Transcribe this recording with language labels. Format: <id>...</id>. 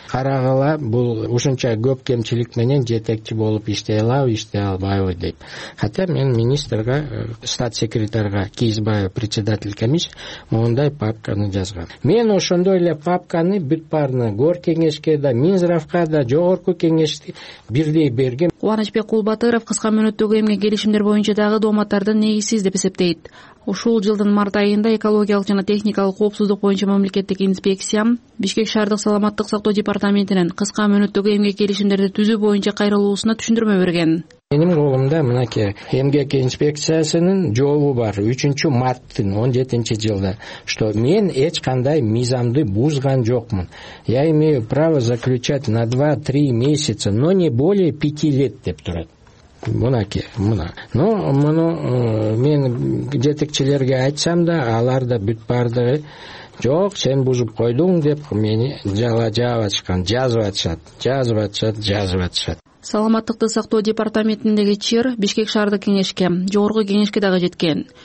<ky>Карагыла бул ушунча көп кемчилик менен жетекчи болуп иштей алабы, иштей албайбы деп. Хотя мен министрга, статсекретарга Кийизбаев</ky> <ru>председатель комиссии</ru> <ky>мондай папканы жазган. Мен ошондой эле папканы бүт баарына гор кеңешке да, Минздравка да, жогорку кеңешти бирдей берген. Кубанычбек Кулбатыров кыска мөөнөттөгү эмгек келишимдер боюнча дагы дооматтардын негизсиз деп эсептейт. Ушул жылдын март айында экологиялык жана техникалык коопсуздук боюнча мамлекеттик инспекция Бишкек шаардык саламаттык сактоо департаментинин кыска мөөнөттөгү эмгек келишимдерди түзүү боюнча кайрылуусуна түшүндүрмө берген. Менин колумда мынакей эмгек инспекциясынын жообу бар 3 марттын 17 жылда, что мен эч кандай мыйзамды бузган жокмун.</ky> <ru>Я имею право заключать на 2-3 месяца, но не более 5 лет</ru> <ky>деп турат. Мунаке, муна. Но муну мен жетекчилерге айтсам да, алар да бүт бардыгы жок, сен бузуп койдуң деп мени жала жаап атышкан, жазып атышат. Саламаттыкты сактоо департаментиндеги чир Бишкек шаардык кеңешке, жогорку кеңешке дагы жеткен.</ky>